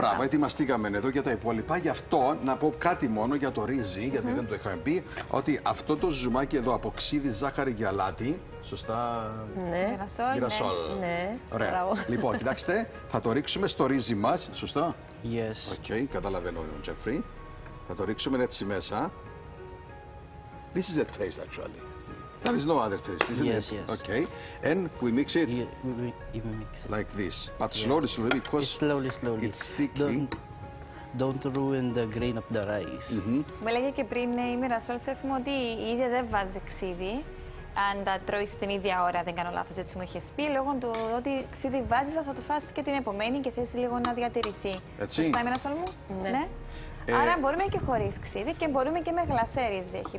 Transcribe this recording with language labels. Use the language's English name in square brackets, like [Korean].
[Greek] Μπράβο, ετοιμαστήκαμε εδώ για τα υπόλοιπα. Γι' αυτό να πω κάτι μόνο για το ρύζι, γιατί δεν το είχαμε πει, ότι αυτό το ζουμάκι εδώ από ξύδι, ζάχαρη και αλάτι. Σωστά. Ναι. Γυρασόλ. Ναι. Ωραία. Μπράβο. Λοιπόν, κοιτάξτε, θα το ρίξουμε στο ρύζι μας. Σωστά. [English] Yes. [Greek] Οκ, okay, καταλαβαίνω, Τζέφρι. Θα το ρίξουμε έτσι μέσα. [English] This is a taste, actually. There is no other taste, isn't yes, it? Yes. Okay. And we mix it. We mix it. Like this. But slowly, yes. Slowly, because it's, slowly, slowly. It's sticky. Don't ruin the grain of the rice. [Greek] Μου έλεγε και πριν η Μυρασόλ Σεφ μου ότι η ίδια δεν βάζει ξύδι. Αν τα τρώει την ίδια ώρα, δεν κάνω λάθος, έτσι μου είχες πει, λόγω του ότι ξύδι βάζεις, θα το φας και την επομένη και θες λίγο να διατηρηθεί. Έτσι. Σωστά, Μυρασόλ μου. Ναι. Ναι. Άρα μπορούμε και χωρίς ξύδι και μπορούμε και με γλασέ ρύζι, έχει πει.